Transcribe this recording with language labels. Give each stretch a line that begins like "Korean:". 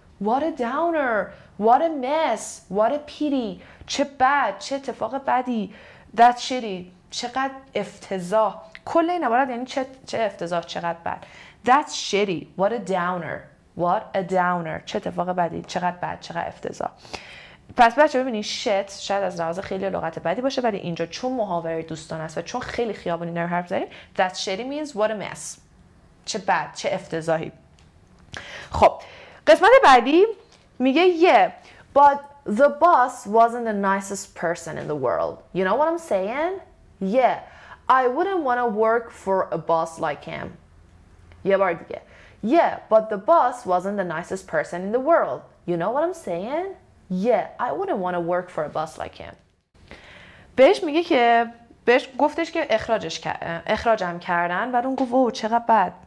English: What a downer, what a mess, what a pity.
Persian: چه بد, چه اتفاق بدی.
English: That's shitty.
Persian: چقدر افتضاح. کل این عبارت یعنی چه افتضاح, چقدر بد.
English: That's shitty, what a downer, what a downer.
Persian: چه اتفاق بدی, چقدر بد, چقدر افتضاح. پس بچه ببینید shit شاید از لحاظ خیلی لغت بدی باشه ولی اینجا چون محاوره دوستان است و چون خیلی خیابونی نرو حرف داریم
English: That's shitty means what a mess.
Persian: چه بد, چه افتضاحی. خب قسمت بعدی میگه
English: yeah, but the boss wasn't the nicest person in the world. You know what I'm saying? Yeah, I wouldn't want to work for a boss like him.
Persian: یه بار دیگه.
English: Yeah, but the boss wasn't the nicest person in the world. You know what I'm saying? Yeah, I wouldn't want to work for a boss like him.
Persian: بهش میگه که بهش گفتش که اخراجم کردن و اون گفت اوه چقدر بد.